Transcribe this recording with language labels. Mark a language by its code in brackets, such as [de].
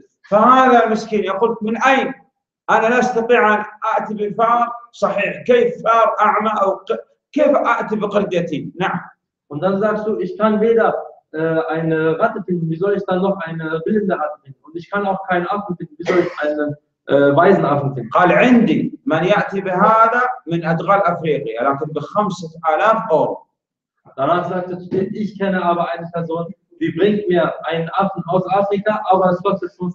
[ar] فهذا المسكين يقول من أين؟ أنا لا أستطيع أن آتي بفار صحيح، كيف فار أعمى أو كيف آتي بقرد يتيم؟ نعم. [de] Und dann sagst du, ich kann weder eine Ratte finden, wie soll ich dann noch eine blinde Ratte finden? Und ich kann auch keinen Affen finden, wie soll ich einen weisen Affen finden? [ar] قال عندي من يأتي بهذا من أدغال أفريقيا لكن بخمسة آلاف أورو. [de] Danach sagte zu dir, ich kenne aber eine Person, die bringt mir einen Affen aus Afrika, aber es kostet